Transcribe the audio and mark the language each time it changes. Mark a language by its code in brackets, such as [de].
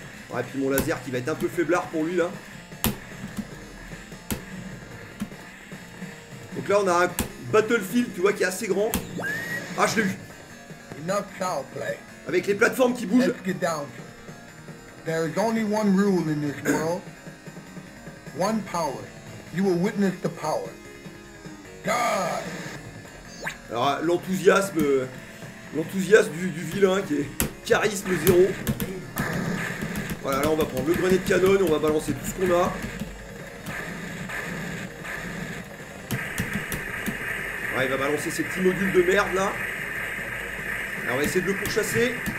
[fr] Ouais, puis mon laser qui va être un peu faiblard pour lui là. Donc là on a un battlefield, tu vois, qui est assez grand. Ah, je l'ai eu. [en] Enough foul play. [fr] Avec les plateformes qui bougent. [en] Let's get down. There is only one rule in this world. One power. You will witness the power. God. [fr] Alors l'enthousiasme. L'enthousiasme du vilain qui est charisme zéro. Voilà, là on va prendre le grenade canon et on va balancer tout ce qu'on a. Ouais, il va balancer ses petits modules de merde là. Alors, on va essayer de le pourchasser.